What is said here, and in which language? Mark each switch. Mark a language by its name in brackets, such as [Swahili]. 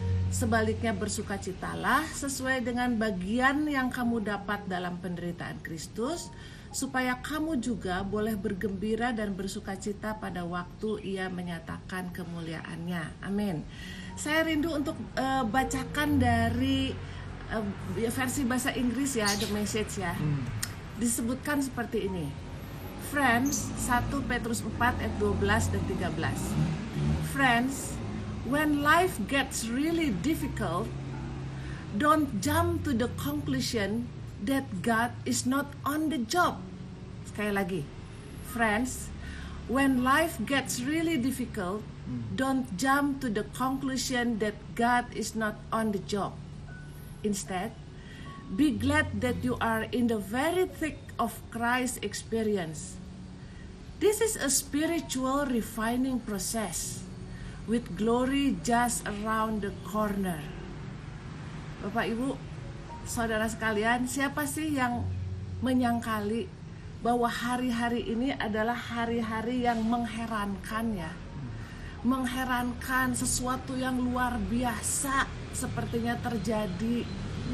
[Indonesian] Sebaliknya bersukacitalah sesuai dengan bagian yang kamu dapat dalam penderitaan Kristus, supaya kamu juga boleh bergembira dan bersukacita pada waktu Ia menyatakan kemuliaannya. Amin. Saya rindu untuk bacakan dari versi bahasa Inggris, ya, The Message, ya. Disebutkan seperti ini. [English] Friends, [Indonesian] 1 Petrus 4 ayat 12 dan 13. [English] Friends, when life gets really difficult, don't jump to the conclusion that God is not on the job. [Indonesian] Sekali lagi, [English] friends, when life gets really difficult, don't jump to the conclusion that God is not on the job. Instead, be glad that you are in the very thick of Christ's experience. This is a spiritual refining process with glory just around the corner. [Indonesian] Bapak, Ibu, saudara sekalian, siapa sih yang menyangkali bahwa hari-hari ini adalah hari-hari yang mengherankan ya? Mengherankan, sesuatu yang luar biasa sepertinya terjadi.